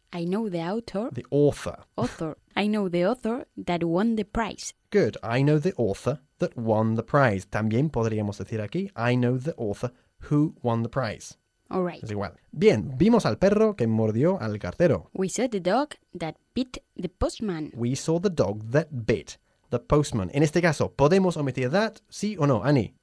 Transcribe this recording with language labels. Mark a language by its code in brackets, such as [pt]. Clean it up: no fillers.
[en] I know the author. The author. Author. I know the author that won the prize. Good. I know the author that won the prize. [es] También podríamos decir aquí, [en] I know the author who won the prize. All right. [es] Es igual. Bien, vimos al perro que mordió al cartero. [en] We saw the dog that bit the postman. We saw the dog that bit the postman. [es] En este caso, ¿podemos omitir that? ¿Sí o no, Annie?